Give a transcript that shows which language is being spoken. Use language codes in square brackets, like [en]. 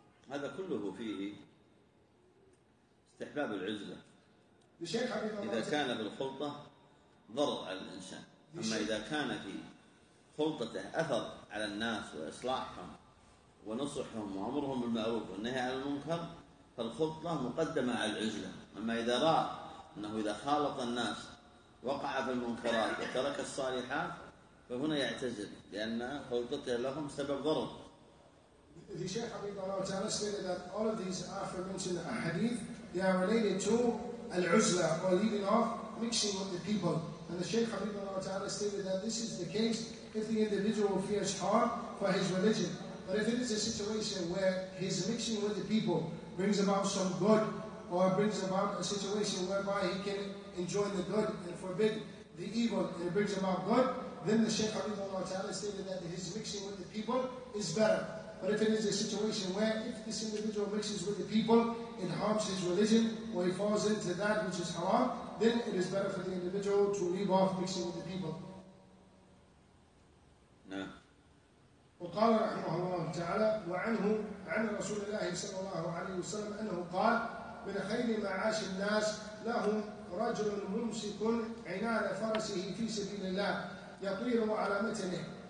[ar] هذا كله فيه استحباب العزلة إذا كان بالخلطة ضرر على الإنسان، أما إذا كان في خلطته أثر على الناس وإصلاحهم ونصحهم وأمرهم بالمعروف والنهي عن المنكر فالخلطة مقدمة على العزلة. أما إذا رأى أنه إذا خالط الناس وقع في المنكرات وترك الصالحات فهنا يعتزل، لأن خلطته لهم سبب ضرر. [en] The Shaykh Habib Allah Ta'ala stated that all of these aforementioned hadith, they are related to al-uzla, or leaving off, mixing with the people. And the Shaykh Habib Allah Ta'ala stated that this is the case if the individual fears harm for his religion. But if it is a situation where his mixing with the people brings about some good, or brings about a situation whereby he can enjoy the good and forbid the evil, and it brings about good, then the Shaykh Habib Allah Ta'ala stated that his mixing with the people is better. But if it is a situation where if this individual mixes with the people, it harms his religion, or he falls into that which is haram, then it is better for the individual to leave off mixing with the people. No. [ar] وقال رحمه الله تعالى وعنه عن رسول الله صلى الله عليه وسلم أنه قال: من خير معاش الناس لهم رجل ممسك عنان فرسه في سبيل الله يطير على متنه،